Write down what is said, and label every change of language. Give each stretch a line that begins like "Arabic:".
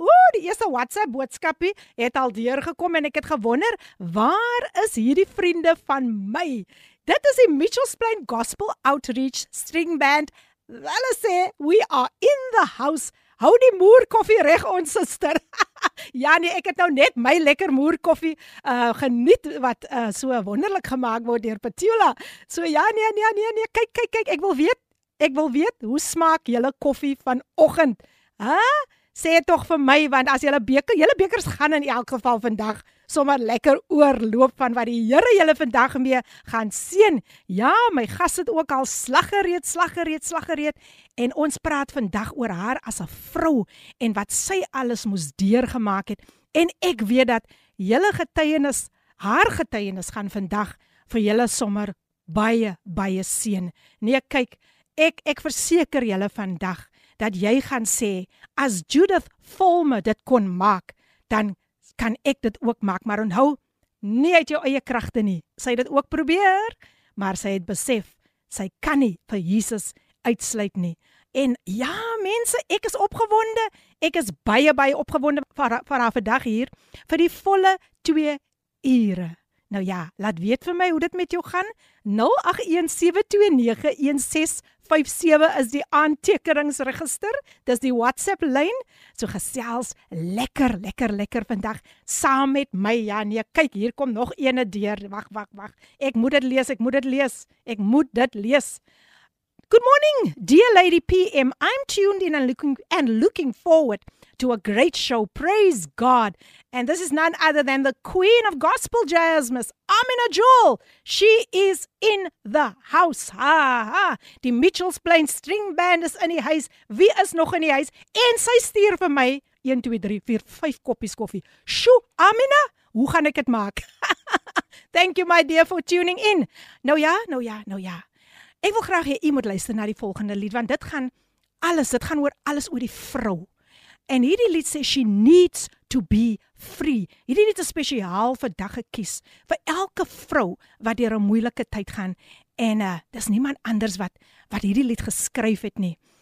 Afrikaans: Ooh, die eerste WhatsApp boodskapie het al deurgekom en ek het gewonder, waar is hierdie vriende van my? Dit is die Mitchellsplein Gospel Outreach String Band.
English: Hulle sê, we are in the house.
Afrikaans: Hou die moerkoffie reg, ons sister. Ja nee, ek het nou net my lekker moerkoffie geniet wat so wonderlik gemaak word deur Petula. So ja nee, kyk, ek wil weet, hoe smaak julle koffie vanoggend? Hè? Sê tog vir my, want as julle bekers gaan in elk geval vandag sommer lekker oorloop van wat die Here julle vandag mee gaan seën. Ja, my gas het ook al slag gereed. En ons praat vandag oor haar as 'n vrou en wat sy alles moes deurgemaak het. En ek weet dat julle getuienis, haar getuienis gaan vandag vir julle sommer baie, baie seën. Nee, kyk, ek verseker julle vandag dat jy gaan sê, as Judith Fulmer dit kon maak, dan kan ek dit ook maak, maar onthou, nie uit jou eie kragte nie. Sy het dit ook probeer, maar sy het besef, sy kan nie vir Jesus uitsluit nie. En ja, mense, ek is opgewonde. Ek is baie, baie opgewonde vir haar vandag hier, vir die volle 2 ure. Nou ja, laat weet vir my hoe dit met jou gaan. 0817291657 is die aantekeningsregister. Dis die WhatsApp lyn. So gesels lekker vandag saam met my. Ja, nee, kyk, hier kom nog eene deur. Wag. Ek moet dit lees.
English: Good morning, dear Lady PM. I'm tuned in and looking forward to a great show. Praise God. And this is none other than the Queen of Gospel Jazz, Miss Amina Jewel. She is in the house. Ha ha.
Afrikaans: Die Mitchellsplein String Band is in die huis. Wie is nog in die huis? En sy stuur vir my 1 2 3 4 5 koppies koffie. Sjoe, Amina, hoe gaan ek dit maak?
English: Thank you my dear for tuning in.
Afrikaans: Nou ja. Ek wil graag hê jy moet luister na die volgende lied, want dit gaan oor alles oor die vrou.
English: En hierdie lied sê, she needs to be free.
Afrikaans: Hierdie lied is spesiaal vir dag gekies, vir elke vrou wat deur 'n moeilike tyd gaan. En dis niemand anders wat hierdie lied geskryf het nie.